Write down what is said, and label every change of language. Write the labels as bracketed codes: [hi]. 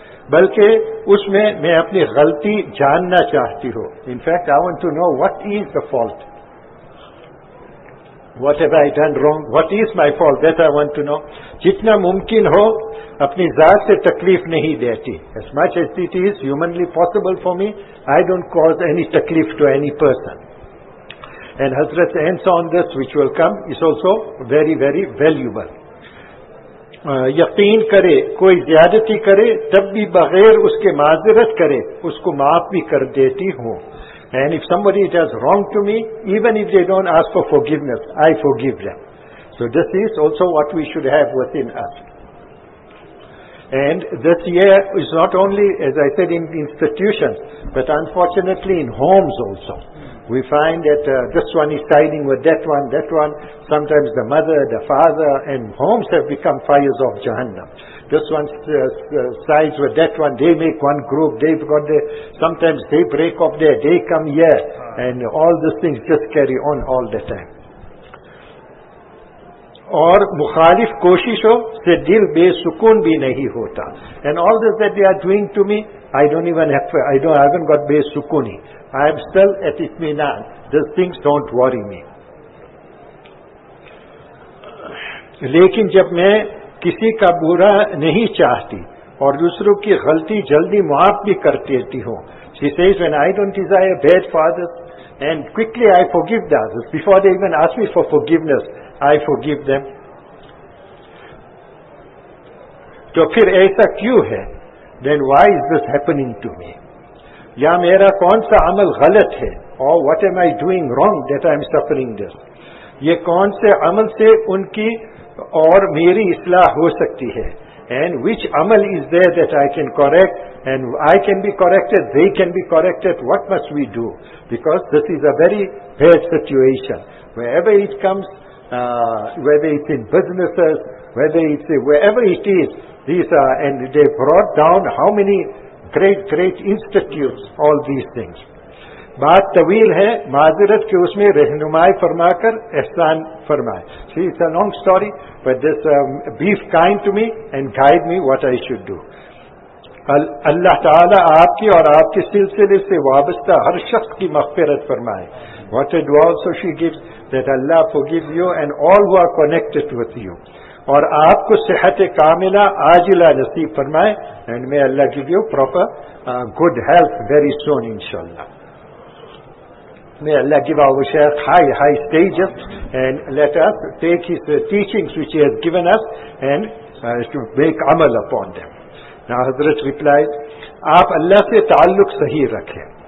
[ur] بلکہ اس میں میں اپنی غلطی جاننا چاہتی ہوں. [en] In fact, I want to know what is the fault. What have I done wrong? What is my fault? That I want to know. [ur] جتنا ممکن ہو اپنی ذات سے تکلیف نہیں دیتی. [en] As much as it is humanly possible for me, I don't cause any تکلیف to any person. And Hazrat's answer on this, which will come, is also very, very valuable. [ur] یقین کرے کوئی زیادتی کرے تب بھی بغیر اس کے معذرت کرے اس کو معاف بھی کر دیتی ہوں. [en] And if somebody does wrong to me, even if they don't ask for forgiveness, I forgive them. So this is also what we should have within us. And this year is not only, as I said, in institutions, but unfortunately in homes also. We find that this one is siding with that one, sometimes the mother, the father, and homes have become fires of Jahannam. This one sides with that one, they make one group, they've got the, sometimes they break up there, they come here, and all these things just carry on all the time. [ur] اور مخالف کوششوں سے دل بے سکون بھی نہیں ہوتا. [en] And all this that they are doing to me, I haven't got بے سکونی. I am still at اطمینان. These things don't worry me. [ur] لیکن جب میں کسی کا برا نہیں چاہتی اور دوسروں کی غلطی جلدی معاف بھی کرتی دیتی ہوں. [en] She says, when I don't desire bad fathers, and quickly I forgive the others, before they even ask me for forgiveness, I forgive them. [ur] تو پھر ایسا کیوں ہے؟ [en] Then why is this happening to me? [ur] یا میرا کون سا عمل غلط ہے؟ [en] Or what am I doing wrong that I am suffering this? [ur] یہ کون سے عمل سے ان کی اور میری اصلاح ہو سکتی ہے؟ [en] And which عمل is there that I can correct? And I can be corrected, they can be corrected. What must we do? Because this is a very bad situation. Wherever it comes, whether it's in businesses, whether it's wherever it is, these are, and they brought down how many great institutes, all these things. [ur] بات طویل ہے معذرت کے اس میں رہنمائی فرما کر احسان فرمائے. [en] See, it's a long story, but just be kind to me and guide me what I should do. [ur] اللہ تعالیٰ آپ کی اور آپ کے سلسلے سے وابستہ ہر شخص کی مغفرت فرمائے. [en] What a dua also she gives, that Allah forgives you and all who are connected with you. [ur] اور آپ کو صحت کاملہ عاجلہ نصیب فرمائے. [en] And may Allah give you proper good health very soon, inshallah. May Allah give our Shaykh high stages and let us take his teachings which he has given us and to make amal upon them. Now Hazrat replied, [ur] آپ اللہ سے تعلق صحیح رکھیں.